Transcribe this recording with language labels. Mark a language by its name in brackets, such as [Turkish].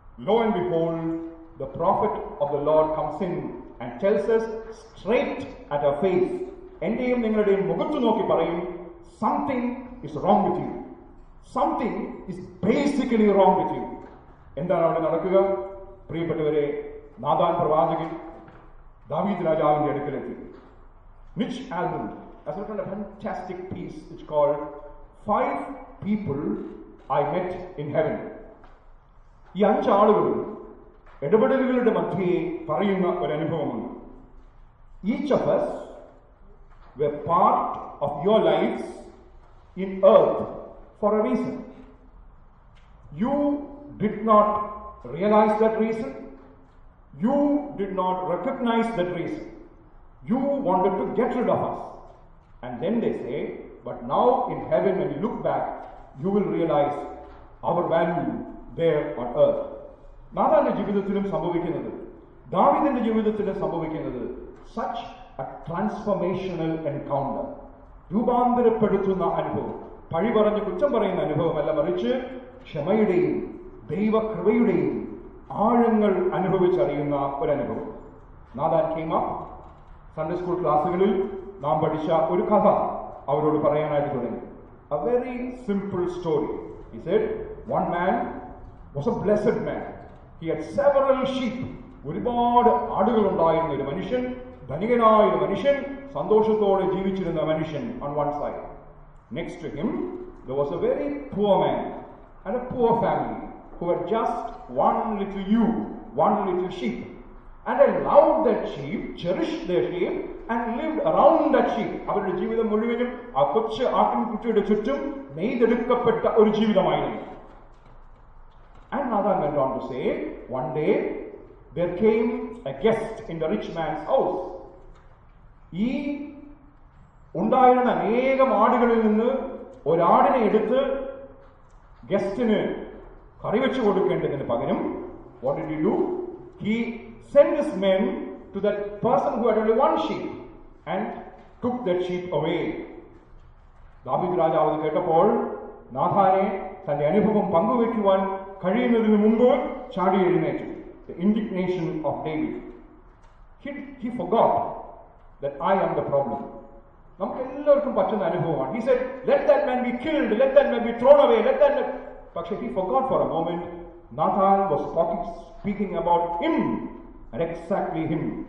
[English] lo and behold the prophet of the lord comes in and tells us straight at our face [Malayalam] എന്റെയും നിങ്ങളുടെയും മുഖത്തു നോക്കി പറയും [English] something is wrong with you something is basically wrong with you [Malayalam] എന്താണ് അവിടെ നടക്കുക പ്രിയപ്പെട്ടവരെ Nathan പ്രവാചകൻ [English] David Rajavin Yadikalati. Mitch Albom has written a fantastic piece which is called Five People I Met in Heaven. Each of us were part of your lives in earth for a reason. You did not realize that reason. You did not recognize that reason. You wanted to get rid of us. And then they say, but now in heaven when you look back, you will realize our value there on earth. [Malayalam] നാഥാന്റെ ജീവിതത്തിലും സംഭവിക്കുന്നത് ദാവീദിന്റെ ജീവിതത്തിലും സംഭവിക്കുന്നത് [English] such a transformational encounter. [Malayalam] രൂപാന്തരപ്പെടുത്തുന്ന അനുഭവം പഴി പറഞ്ഞ് കുറ്റം പറയുന്ന അനുഭവമല്ല മറിച്ച് ക്ഷമയുടെയും ദൈവകൃപയുടെയും ആഴങ്ങൾ അനുഭവിച്ചറിയുന്ന ഒരനുഭവം Nathan [English] came up [Malayalam] Sunday school ക്ലാസ്സുകളിൽ നാം പഠിച്ച ഒരു കഥ അവരോട് പറയാനായിട്ട് തുടങ്ങി [English] a very simple story he said one man was a blessed man he had several sheep [Malayalam] ഒരുപാട് ആടുകൾ ഉണ്ടായിരുന്ന ഒരു മനുഷ്യൻ ധനികനായ ഒരു മനുഷ്യൻ സന്തോഷത്തോടെ ജീവിച്ചിരുന്ന മനുഷ്യൻ [English] On one side next to him there was a very poor man and a poor family who had just one little ewe, one little sheep. and allowed that sheep, cherished their sheep, and lived around that sheep. [Malayalam] അവരുടെ ജീവിതം മുഴുവനും ആ കൊച്ചു ആട്ടിൻകുട്ടിയുടെ ചുറ്റും നെയ്തെടുക്കപ്പെട്ട ഒരു ജീവിതമായിരുന്നു. [English] And Nathan went on to say, one day there came a guest in the rich man's house. [Malayalam] ഈ ഉണ്ടായിരുന്ന അനേകം ആടുകളിൽ നിന്ന് ഒരാടിനെ എടുത്ത് ഗസ്റ്റിന് കറി വെച്ചു കൊടുക്കേണ്ടതിന് പകരം [English] what did he do? He sent his men to that person who had only one sheep and took that sheep away. [Malayalam] ദാവീദ് രാജാവ് കേട്ടപ്പോൾ നാഥാനെ തന്റെ അനുഭവം പങ്കുവയ്ക്കുവാൻ കഴിയുന്നതിന് മുമ്പ് ചാടി എഴുന്നേറ്റു. [English] The indignation of David. He forgot that I am the problem. [Malayalam] നമുക്ക് എല്ലാവർക്കും പറ്റുന്ന അനുഭവമാണ്. [English] He said, let that man be killed, let that man be thrown away, let that man... [Malayalam] പക്ഷേ [English] he forgot for a moment, Nathan was speaking about him, and exactly him.